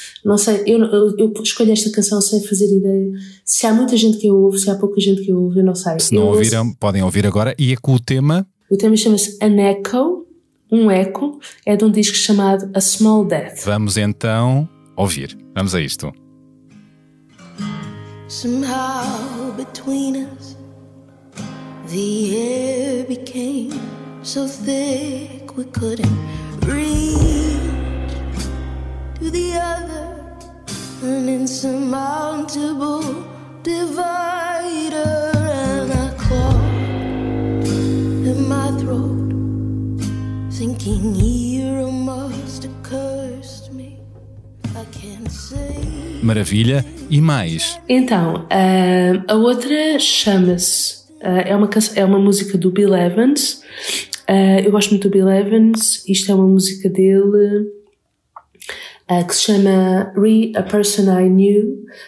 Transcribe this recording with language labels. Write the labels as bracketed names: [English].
[Portuguese] Não sei, eu escolhi esta canção sem fazer ideia se há muita gente que a ouve, se há pouca gente que a ouve, eu não sei. Se não ouviram, podem ouvir agora. E é com o tema? O tema chama-se An Echo, Um eco é de um disco chamado A Small Death. Vamos então ouvir. Vamos a isto. [English] Somehow between us the air became so thick we couldn't reach to the other, an insurmountable divider, and I clawed at my throat, thinking Hero must have cursed me. I can't say. [Portuguese] Maravilha. E mais? Então, a outra chama-se, é uma música do Bill Evans. Eu gosto muito do Bill Evans. Isto é uma música dele que se chama Re A Person I Knew.